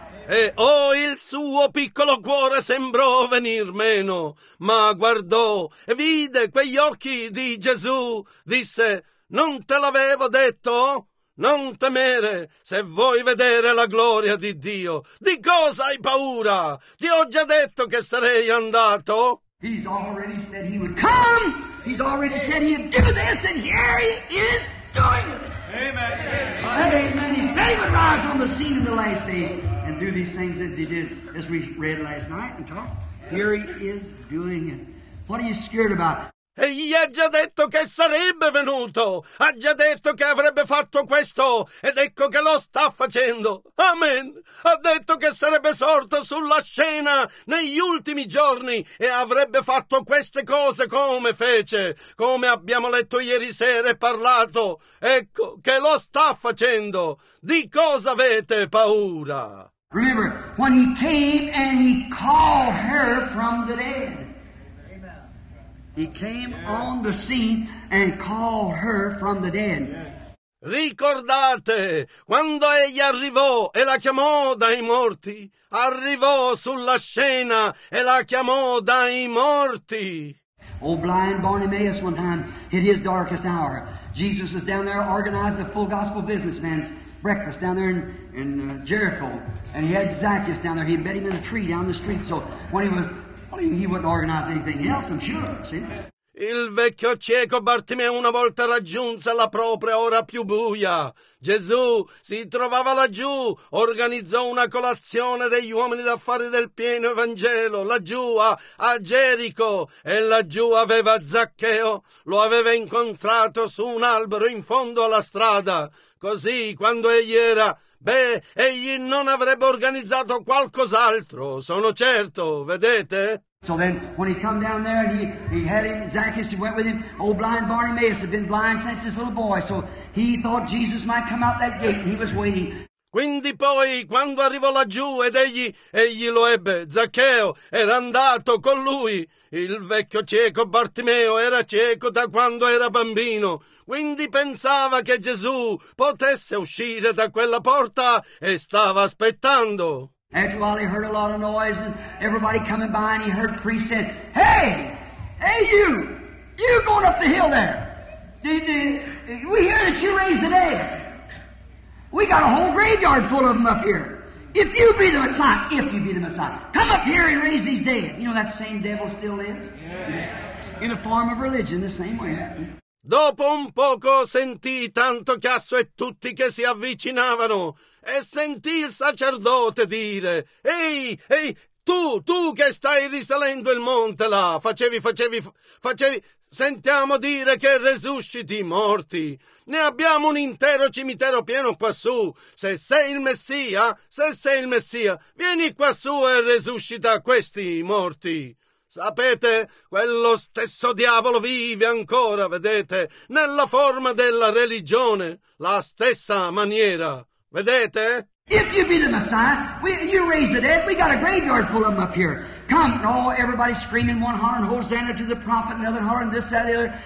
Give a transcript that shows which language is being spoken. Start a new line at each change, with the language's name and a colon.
Italian: E oh, il suo piccolo cuore sembrò venir meno, ma guardò e vide quegli occhi di Gesù, disse, Non te l'avevo detto? Non temere, se vuoi vedere la gloria di Dio. Di cosa hai paura? Ti ho già detto che sarei andato.
English: He's already said he would come. He's already said he'd do this, and here he is doing it. Amen. Amen. He said he would rise on the scene in the last days and do these things as he did, as we read last night and talked. Here he is doing it. What are you scared about?
Italian: Egli ha già detto che sarebbe venuto. Ha già detto che avrebbe fatto questo. Ed ecco che lo sta facendo. Amen. Ha detto che sarebbe sorto sulla scena negli ultimi giorni e avrebbe fatto queste cose come fece. Come abbiamo letto ieri sera e parlato. Ecco che lo sta facendo. Di cosa avete paura?
English: Remember, when he came and he called her from the dead. He came on the scene and called her from the dead.
Italian: Ricordate, quando egli arrivò e la chiamò dai morti, arrivò sulla scena e la chiamò dai morti.
English: Oh, blind Bartimaeus, one time in his darkest hour, Jesus is down there organizing a full gospel businessman's breakfast down there in Jericho. And he had Zacchaeus down there. He embedded him in a tree down the street. So when he was... He wouldn't organize anything else, I'm sure, see?
Italian: Il vecchio cieco Bartimeo una volta raggiunse la propria ora più buia. Gesù si trovava laggiù, organizzò una colazione degli uomini d'affari del pieno Evangelo, laggiù a Gerico, e laggiù aveva Zaccheo, lo aveva incontrato su un albero in fondo alla strada. Così, quando egli era, egli non avrebbe organizzato qualcos'altro, sono certo, vedete?
English: So then, when he come down there, and he had him, Zacchaeus, he went with him. Old blind Bartimaeus had been blind since his little boy, so he thought Jesus might come out that gate, and he was waiting.
Italian: Quindi poi, quando arrivò laggiù, ed egli lo ebbe, Zaccheo, era andato con lui. Il vecchio cieco Bartimeo era cieco da quando era bambino, quindi pensava che Gesù potesse uscire da quella porta e stava aspettando.
English: After a while he heard a lot of noise and everybody coming by and he heard priests saying, Hey you going up the hill there. We hear that you raised the dead. We got a whole graveyard full of them up here. If you be the Messiah, come up here and raise these dead. You know that same devil still lives? Yeah. In a form of religion, the same way.
Italian: Dopo un poco sentì tanto chiasso e tutti che si avvicinavano. E sentì il sacerdote dire, ehi, tu che stai risalendo il monte là, facevi, sentiamo dire che resusciti i morti. Ne abbiamo un intero cimitero pieno quassù. Se sei il Messia, vieni quassù e resuscita questi morti. Sapete, quello stesso diavolo vive ancora, vedete, nella forma della religione, la stessa maniera. Vedete?
English: If you be the Messiah, you raise the dead. We got a graveyard full of them up here. Come, and all everybody screaming, one hollering Hosanna to the prophet, another hollering this, that, the other.